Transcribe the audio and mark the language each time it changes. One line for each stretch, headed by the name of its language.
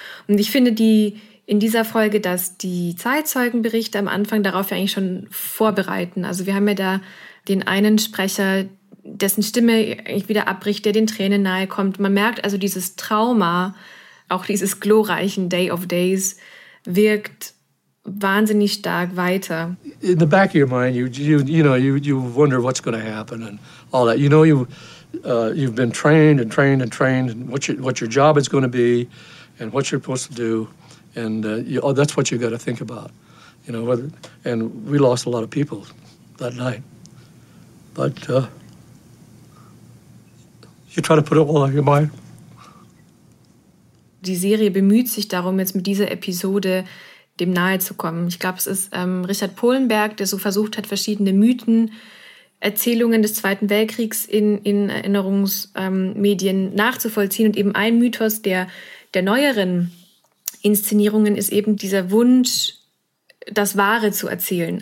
German: Und ich finde in dieser Folge, dass die Zeitzeugenberichte am Anfang darauf ja eigentlich schon vorbereiten. Also wir haben ja da den einen Sprecher, dessen Stimme eigentlich wieder abbricht, der den Tränen nahe kommt. Man merkt also, dieses Trauma, auch dieses glorreichen Day of Days, wirkt wahnsinnig stark weiter.
English: In the back of your mind, you wonder what's going to happen and all that. You know, you've been trained and trained and trained, and what your job is going to be, and what you're supposed to do, and that's what you got to think about. You know, and we lost a lot of people that night, but you try to put it all out of your mind.
German: Die Serie bemüht sich darum, jetzt mit dieser Episode dem nahe zu kommen. Ich glaube, es ist Richard Pohlenberg, der so versucht hat, verschiedene Mythen, Erzählungen des Zweiten Weltkriegs in Erinnerungsmedien nachzuvollziehen. Und eben ein Mythos der neueren Inszenierungen ist eben dieser Wunsch, das Wahre zu erzählen.